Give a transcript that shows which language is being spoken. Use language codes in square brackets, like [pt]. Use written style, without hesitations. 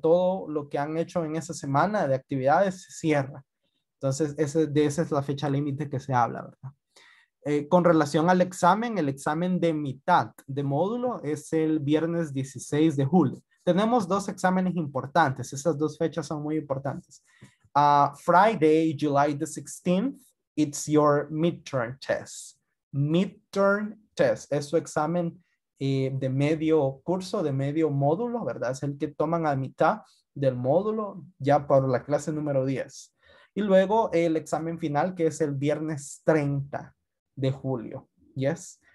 [es] Todo lo que han hecho en esa semana de actividades se cierra. Entonces, esa es la fecha límite que se habla, ¿verdad? Con relación al examen, el examen de mitad de módulo es el viernes 16 de julio. Tenemos dos exámenes importantes. Esas dos fechas son muy importantes. [en] Friday, July the 16th, it's your midterm test. [es] Midterm test es su examen de medio curso, de medio módulo, ¿verdad? Es el que toman a mitad del módulo ya por la clase número 10. Y luego el examen final, que es el viernes 30. De julio. Yes.